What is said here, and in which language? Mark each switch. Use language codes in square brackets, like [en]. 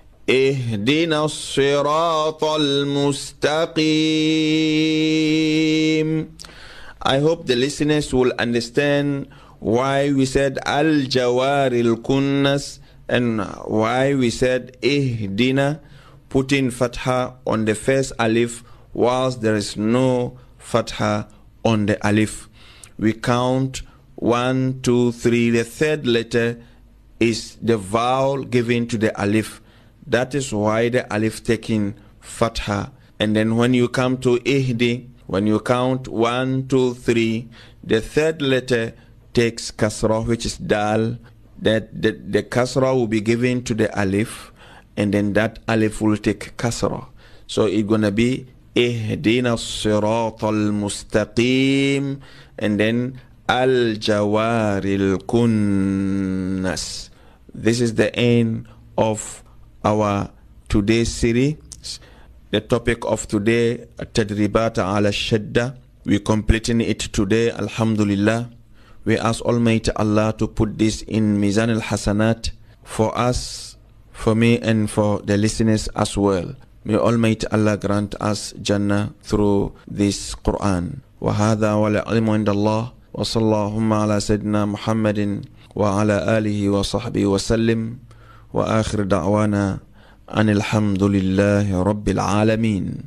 [ar] اهدنا الصراط المستقيم [en] I hope the listeners will understand why we said الجوار الكنس and why we said اهدنا putting fatha on the first alif whilst there is no fatha on the alif. We count 1, 2, 3. The third letter is the vowel given to the alif. That is why the alif taking fatha. And then when you come to ihdi, when you count 1, 2, 3, the third letter takes kasra, which is dal. That the kasra will be given to the alif, and then that alif will take kasra. So it's gonna be ihdina al-sirat al-mustaqim, and then الجوار الكنس. This is the end of our today's series. The topic of today, [ar] تدريبات على الشدة. [en] We're completing it today, Alhamdulillah. We ask Almighty Allah to put this in Mizan al-Hasanat for us, for me, and for the listeners as well. May Almighty Allah grant us Jannah through this Quran. [ar] وهذا والعلم عند الله وصلى اللهم على سيدنا محمد وعلى آله وصحبه وسلم وآخر دعوانا أن الحمد لله رب العالمين.